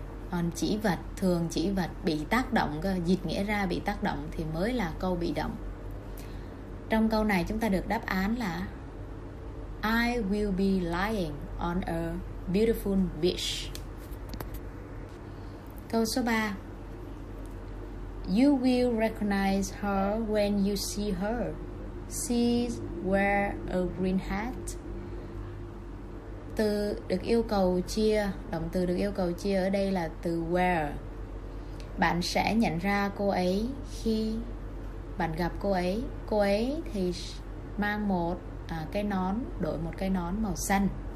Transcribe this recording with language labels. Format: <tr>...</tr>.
<vi>Còn chỉ vật, thường chỉ vật bị tác động, dịch nghĩa ra bị tác động thì mới là câu bị động. Trong câu này chúng ta được đáp án là</vi> <en>I will be lying on a beautiful beach.</en> <vi>Câu số 3.</vi> <en>You will recognize her when you see her. She wears a green hat.</en> <vi>Từ được yêu cầu chia, động từ được yêu cầu chia ở đây là từ wear. Bạn sẽ nhận ra cô ấy khi bạn gặp cô ấy. Cô ấy thì mang một cái nón, đội một cái nón màu xanh.</vi>